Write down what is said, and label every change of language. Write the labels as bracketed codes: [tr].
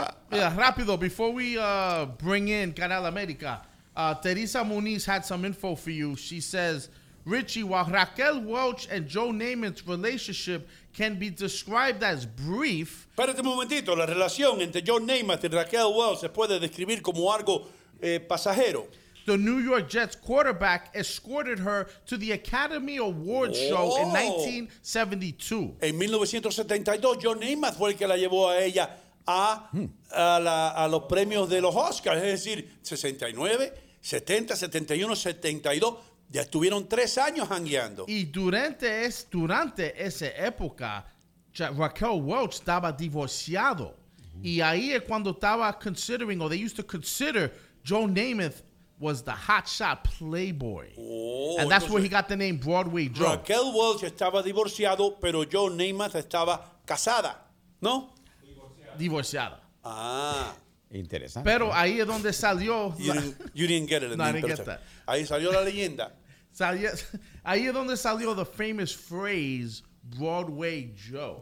[en] Yeah, [es] rápido, [en] before we bring in Canal América, Teresa Muniz had some info for you. She says, Richie, while Raquel Welch and Joe Namath's relationship can be described as brief. [es] Espérate un momentito, la relación entre Joe Namath y Raquel Welch se puede describir como algo pasajero. [en] The New York Jets quarterback escorted her to the Academy Awards show in 1972. [es] En 1972, Joe Namath fue el que la llevó a ella a los premios de los Oscars. Es decir, 69, 70, 71, 72. Ya estuvieron 3 años jangueando. Y durante esa época, Raquel Welch estaba divorciado. Y ahí es cuando estaba [en] considering, or they used to consider, Joe Namath was the hotshot playboy. And that's where he got the name Broadway Joe. [es] Raquel Welch estaba divorciado, pero Joe Namath estaba casada, ¿no? Divorciada. Interesante. Pero ahí es donde salió... [en] I didn't get that. [es] Ahí salió la leyenda. Ahí es donde salió [en] the famous phrase [es] Broadway Joe.